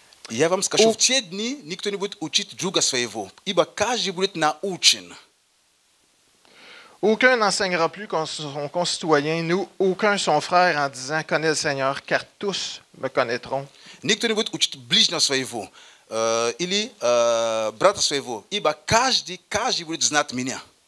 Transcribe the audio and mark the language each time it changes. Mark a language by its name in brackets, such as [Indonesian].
[Russian] Я вам скажу, в те дни никто не будет учить друга своего, ибо каждый будет научен. [French] Aucun n'enseignera plus son concitoyen, ni aucun son frère, en disant connais le Seigneur, car tous me connaîtront. [Russian] Никто не будет учить ближнего своего, или брата своего, ибо каждый будет знать меня.